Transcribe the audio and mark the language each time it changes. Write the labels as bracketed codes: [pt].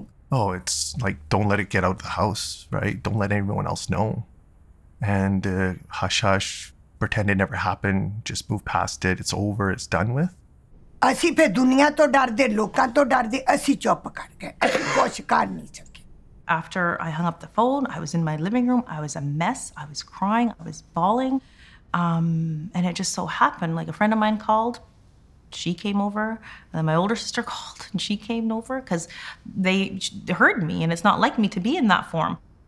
[en] Oh, it's like, don't let it get out of the house, right? Don't let anyone else know. And hush, hush, pretend it never happened. Just move past it. It's over. It's done with. [pa] ਅਸੀਂ ਫਿਰ ਦੁਨੀਆ ਤੋਂ ਡਰਦੇ ਲੋਕਾਂ ਤੋਂ ਡਰਦੇ ਅਸੀਂ ਚੁੱਪ ਕਰ ਗਏ ਅਸੀਂ ਕੁਛ ਕਰ ਨਹੀਂ ਸਕੇ. [en] After I hung up the phone, I was in my living room. I was a mess. I was crying. I was bawling. And it just so happened, like a friend of mine called. She came over, and then my older sister called, and she came over because they heard me, and it's not like me to be in that form.